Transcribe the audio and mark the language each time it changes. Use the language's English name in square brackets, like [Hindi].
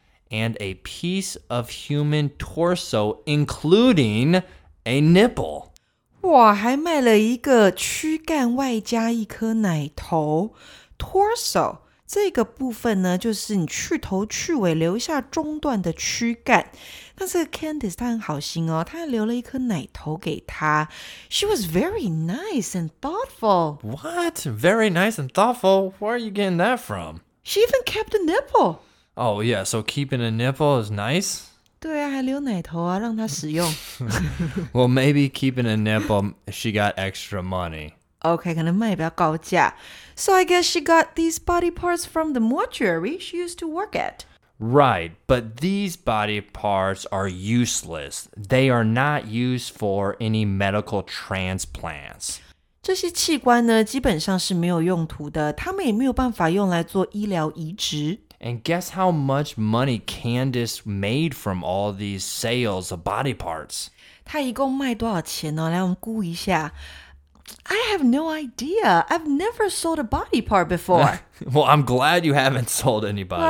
[English] And a piece of human torso, including a nipple. [Chinese] 哇，还卖了一个躯干外加一颗奶头。 Torso, 这个部分呢，就是你去头去尾留下中段的躯干。那这个 Candice 她很好心哦，她留了一颗奶头给她。 [English] She was very nice and thoughtful. What? Very nice and thoughtful? Where are you getting that from? She even kept the nipple. Oh, yeah, so keeping a nipple is nice? [Chinese] 对啊，还留奶头啊，让他使用。 [English] Well, maybe keeping a nipple, she got extra money. [Chinese] Okay, 可能卖比较高价。 [English] So I guess she got these body parts from the mortuary she used to work at. Right, but these body parts are useless. They are not used for any medical transplants. [Chinese] 这些器官呢，基本上是没有用途的，他们也没有办法用来做医疗移植。 [English] And guess how much money Candice made from all these sales of body parts? [Chinese] 他一共卖多少钱呢？来，我们估一下。 [English] I have no idea. I've never sold a body part before. Well, I'm glad you haven't sold any body parts.